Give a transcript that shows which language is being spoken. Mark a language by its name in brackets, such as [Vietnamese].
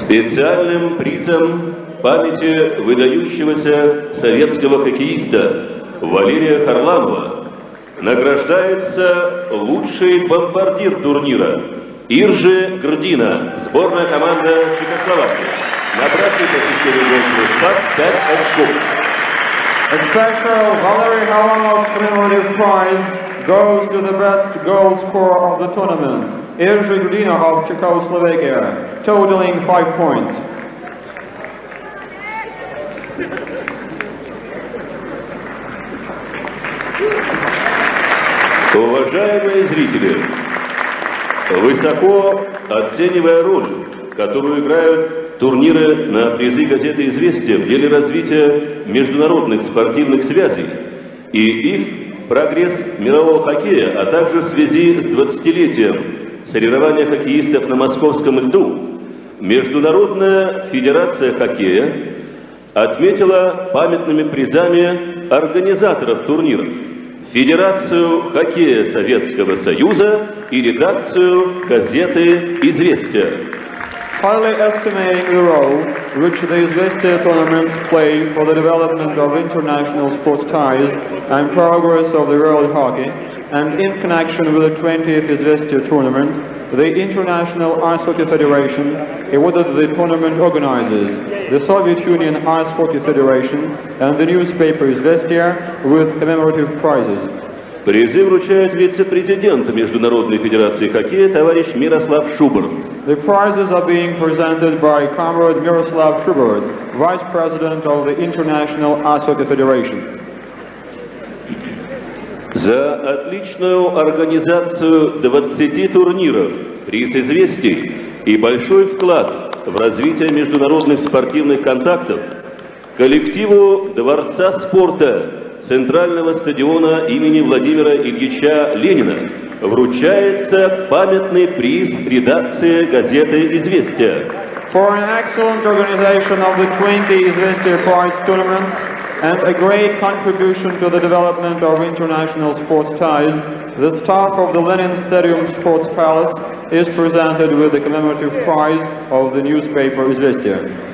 [Russian] Специальным призом памяти выдающегося советского хоккеиста Валерия Харламова награждается лучший бомбардир турнира. Иржи Грдина, сборная команда Чехословакии. Набравший по системе «Гл.судья» спас 5 очков. [English] A special Valery Harlamov commemorative prize goes to the best goal scorer of the tournament. Иржи Грдина of Czechoslovakia, totaling 5 points. [Russian] Уважаемые зрители, высоко оценивая роль, которую играют турниры на призы газеты «Известия» в деле развития международных спортивных связей и их прогресс мирового хоккея, а также в связи с 20-летием соревнования хоккеистов на московском льду, Международная федерация хоккея отметила памятными призами организаторов турниров. Федерацию хоккея Советского Союза и редакцию газеты «Известия». [English] Highly estimating the role which the Izvestia tournaments play for the development of international sports ties and progress of the world hockey, and in connection with the 20th Izvestia tournament, the International Ice Hockey Federation awarded the tournament organizers, the Soviet Union Ice Hockey Federation, and the newspaper Izvestia with commemorative prizes. [Russian] Призы вручает вице-президент Международной Федерации Хоккея товарищ Мирослав Шуберт. [English] The prizes are being presented by comrade Miroslav Šubert, Vice President of the International Ice Hockey Federation. [Russian] За отличную организацию 20 турниров, приз известий и большой вклад в развитие международных спортивных контактов коллективу Дворца спорта Центрального стадиона имени Владимира Ильича Ленина вручается памятный приз редакции газеты «Известия». [English] For an excellent organization of the 20 «Известия» prize tournaments and a great contribution to the development of international sports ties, the staff of the Lenin Stadium Sports Palace is presented with the commemorative prize of the newspaper «Известия».